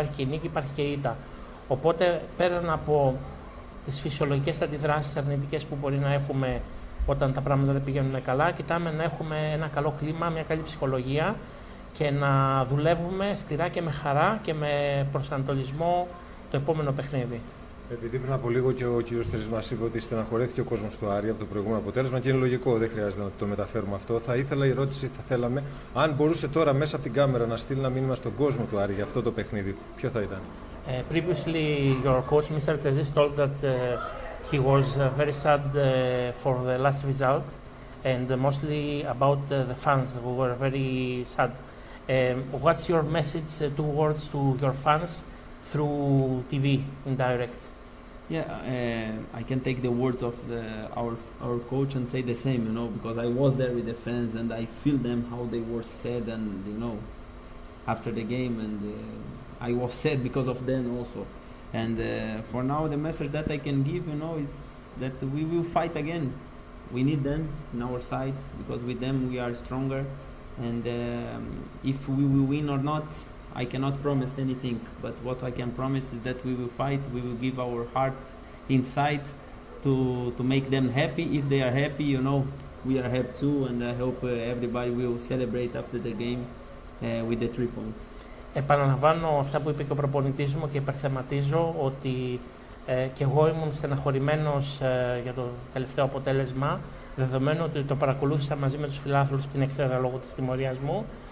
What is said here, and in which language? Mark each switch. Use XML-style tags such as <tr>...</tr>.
<el>Υπάρχει και νίκη, υπάρχει και ήττα. Οπότε, πέραν από τις φυσιολογικές αντιδράσεις αρνητικές που μπορεί να έχουμε όταν τα πράγματα δεν πηγαίνουν καλά, κοιτάμε να έχουμε ένα καλό κλίμα, μια καλή ψυχολογία και να δουλεύουμε σκληρά και με χαρά και με προσανατολισμό το επόμενο παιχνίδι. Επειδή πριν από λίγο και ο κ. Τρις μας είπε ότι στεναχωρέθηκε ο κόσμος του Άρη από το προηγούμενο αποτέλεσμα και είναι λογικό, δεν χρειάζεται να το μεταφέρουμε αυτό. Θα ήθελα η ερώτηση, θα θέλαμε, αν μπορούσε τώρα μέσα από την κάμερα να στείλει ένα μήνυμα στον κόσμο του Άρη για αυτό το παιχνίδι, ποιο θα ήταν?</el> <en>Previously, your coach, Mr. Tezis, told that he was very sad for the last result and mostly about the fans who were very sad. What's your message towards to your fans through TV, indirect? Yeah, I can take the words of our coach and say the same, you know, because I was there with the fans and I feel them how they were sad and, you know, after the game and... I was sad because of them also, and for now the message that I can give, you know, is that we will fight again. We need them in our side because with them we are stronger. And if we will win or not, I cannot promise anything. But what I can promise is that we will fight. We will give our heart inside to make them happy. If they are happy, you know, we are happy too. And I hope everybody will celebrate after the game with the 3 points.</en> <el>Επαναλαμβάνω αυτά που είπε και ο προπονητής μου και υπερθεματίζω ότι και εγώ ήμουν στεναχωρημένος για το τελευταίο αποτέλεσμα, δεδομένου ότι το παρακολούθησα μαζί με τους φιλάθλους στην εξέδρα λόγω της τιμωρίας μου.</el>